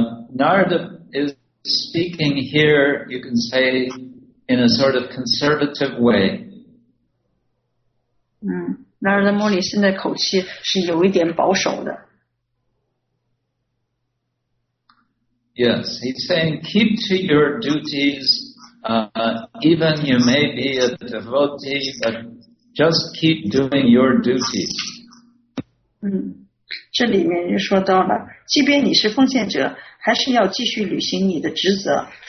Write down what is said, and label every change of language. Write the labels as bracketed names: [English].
[English] Narada is speaking here, you can say, in a sort of conservative way. [Chinese] Narada Muni 现在口气是有一点保守的。 [English] Yes, he's saying keep to your duties, even you may be a devotee, but just keep doing your duties. [Chinese] 这里面就说到了，即便你是奉献者，还是要继续履行你的职责。